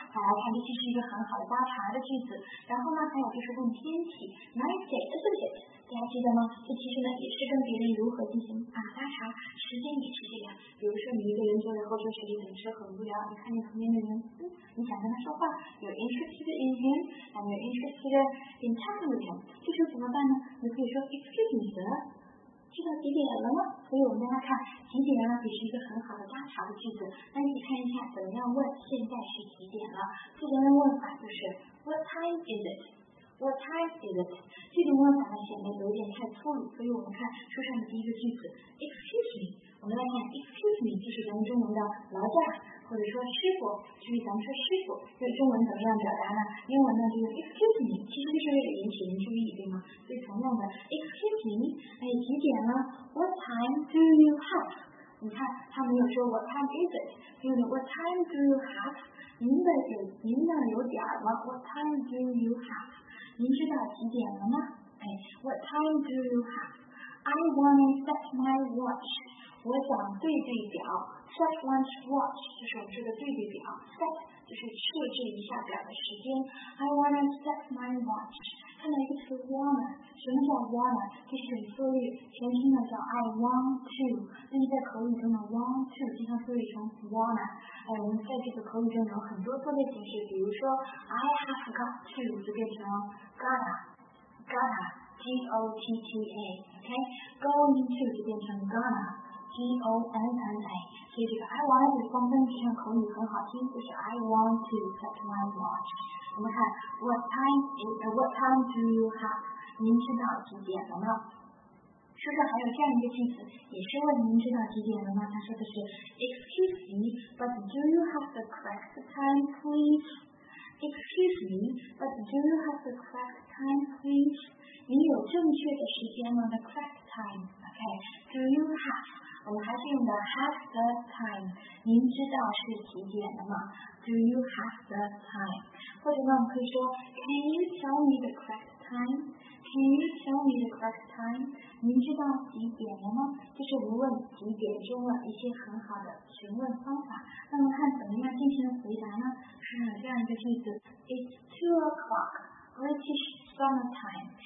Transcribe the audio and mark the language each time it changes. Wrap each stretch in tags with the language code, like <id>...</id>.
<zh>来看，这其实是一个很好的搭茬的句子。然后呢，还有就是问天气 ，</zh> <en>Nice day， isn't it？</en> <zh>大家记得吗？这其实呢也是跟别人如何进行搭茬，时间也是这样。比如说你一个人坐在后座车里很吃很无聊，你看见旁边的人，你想跟他说话 ，</zh> <en>You're interested in him， and you're interested in talking with him。</en> <zh>这时候怎么办呢？</zh> <en>你可以说 Excuse me， sir。</en> <zh>知道几点了吗？所以我们来看几点了，也是一个很好的搭茬的句子。那你看一下怎么样问现在是几点了？</zh> <en>这种问法就是 What time is it？ What time is it？</en> <zh>这种问法呢显得有点太粗鲁，所以我们看书上的第一个句子</zh> <en>Excuse me。</en> <zh>我们来看</zh> <en>Excuse me，</en> <zh>就是咱们中文的劳驾，或者说师傅，就是咱们说师傅，这中文怎么样表达呢？英文呢就是</zh> <en>Excuse me，</en> <zh>其实就是为了引起人注意，对吗？</zh> <en>所以同样的 Excuse me，</en> <zh>哎，几点了</zh> <en>？What time do you have？</en> <zh>你看他没有说</zh> <en>What time is it， 所以 What time do you have？</en> <zh>您的有点吗</zh> <en>？What time do you have？</en> <zh>您知道几点了吗？哎</zh> <en>，What time do you have？I wanna set my watch。</en> <zh>我想对对表 ，</zh> <en>set lunch watch</en> <zh>就是我们说的对对表 ，set 就是设置一下表的时间。</zh> <en>I wanna set my watch。</en> <zh>看到一个词 wanna， 什么叫</zh> <en>wanna？</en> <zh>这是很缩略，前身呢叫</zh> <en>I want to，</en> <zh>但是在口语中的 want to 经常缩略成 wanna。哎，我们在这个口语中有很多缩略形式，比如说</zh> <en>I have got to</en> <zh>就变成 gotta， G-O-T-T-A， OK，</zh> <en>going to</en> <zh>就变成 gonna。 G-O-N-N-A， 所以这个 I want to 方便这样口语很好听，就是</zh> <en>I want to set my watch。我们看 What time do you have？</en> <zh>您知道几点了吗？是不是还有这样一个句子，也是问您知道几点了吗？他说的是</zh> <en>Excuse me， but do you have the correct time please？ Excuse me， but do you have the correct time please？</en> <zh>你有正确的时间吗？</zh> <en>The correct time， OK， do you have？</en> <zh>我们还是用的</zh> <en>have the time，</en> <zh>您知道是几点了吗？</zh> <en>Do you have the time？或者呢，我们可以说 Can you tell me the correct time？ Can you tell me the correct time？</en> <zh>您知道几点了吗？这是无问几点中的一些很好的询问方法。那么看怎么样进行回答呢？</zh> <en>是这样一个句子 ：It's 2 o'clock British summer time。</en>